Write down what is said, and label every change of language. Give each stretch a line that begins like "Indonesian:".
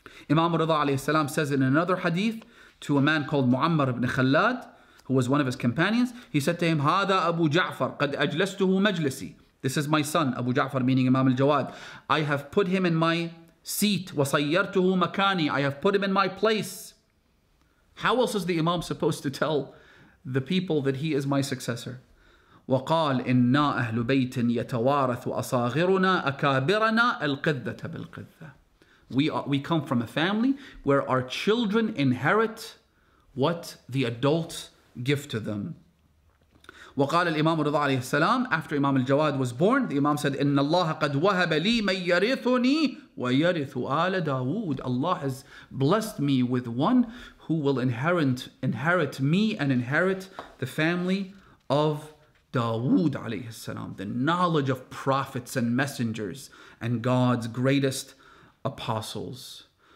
English: Imam Rida alayhi salam says in another hadith, to a man called Muammar ibn Khallad, who was one of his companions, he said to him,
Arabic: هذا أبو جعفر قد أجلسته مجلسي.
English: This is my son, Abu Ja'far, meaning Imam al-Jawad. I have put him in my seat.
Arabic: وصيرته مكاني.
English: I have put him in my place. How else is the Imam supposed to tell the people that he is my successor?
Arabic: وقال إنا أهل بيت يتوارث أصاغرنا أكابرنا القذة بالقذة.
English: We come from a family where our children inherit what the adults give to them.
Arabic: وقال الإمام رضا عليه السلام,
English: after Imam al-Jawad was born, the Imam said,
Arabic: إِنَّ اللَّهَ قَدْ وَهَبَ لِي مَنْ يَرِثُنِي وَيَرِثُ آلَ دَاوُودِ.
English: Allah has blessed me with one who will inherit me and inherit the family of Dawood عليه السلام. The knowledge of prophets and messengers and God's greatest apostles.